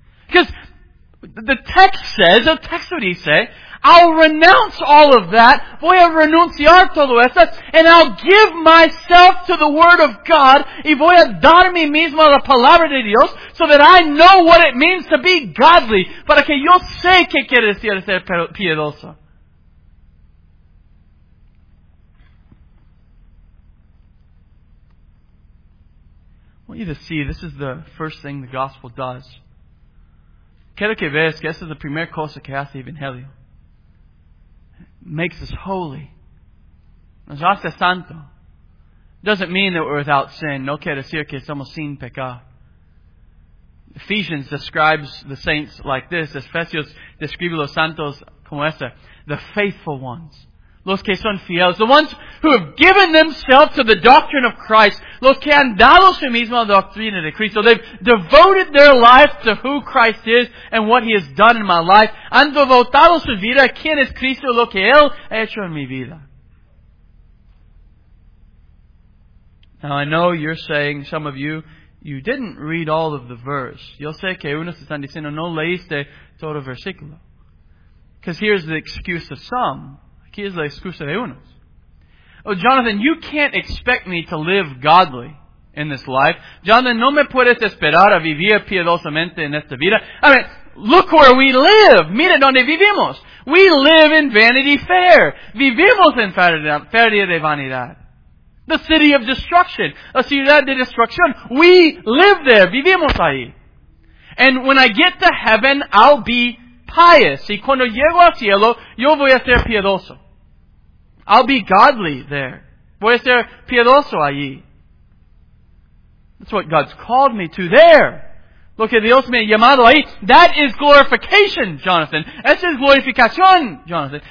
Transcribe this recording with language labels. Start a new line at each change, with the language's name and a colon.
English: Because the text says, the text would he say, I'll renounce all of that,
Spanish: voy a renunciar todo eso,
English: and I'll give myself to the Word of God,
Spanish: y voy a dar mi mismo a la Palabra de Dios,
English: so that I know what it means to be godly,
Spanish: para que yo sé qué quiere decir ser piedoso.
English: I want you to see, this is the first thing the Gospel does.
Spanish: Quiero que veas que esta es la primera cosa que hace Evangelio.
English: Makes us holy.
Spanish: Nos hace santo.
English: Doesn't mean that we're without sin.
Spanish: No quiere decir que somos sin pecar.
English: Ephesians describes the saints like this.
Spanish: Efesios describe los santos como esta.
English: The faithful ones.
Spanish: Los que son fieles.
English: The ones who have given themselves to the doctrine of Christ.
Spanish: Los que han dado su mismo a la doctrina de Cristo.
English: They've devoted their life to who Christ is and what He has done in my life.
Spanish: Han devotado su vida a quien es Cristo, lo que Él ha hecho en mi vida.
English: Now I know you're saying, some of you didn't read all of the verse.
Spanish: Yo sé que unos están diciendo, no leíste todo el versículo.
English: Because here's the excuse of some.
Spanish: Aquí es la excusa de unos.
English: Oh, Jonathan, you can't expect me to live godly. in this life.
Spanish: Jonathan, no me puedes esperar a vivir piedosamente en esta vida.
English: I mean, look where we live.
Spanish: Mira donde vivimos.
English: We live in Vanity Fair.
Spanish: Vivimos en Feria de Vanidad.
English: The city of destruction.
Spanish: La ciudad de destrucción.
English: We live there.
Spanish: Vivimos ahí.
English: And when I get to heaven, I'll be pious.
Spanish: Y cuando llego al cielo, yo voy a ser piedoso.
English: I'll be godly there.
Spanish: Voy a ser piedoso allí.
English: That's what God's called me to there.
Spanish: Lo que Dios me ha llamado ahí.
English: That is glorification, Jonathan.
Spanish: Esa es glorificación, Jonathan.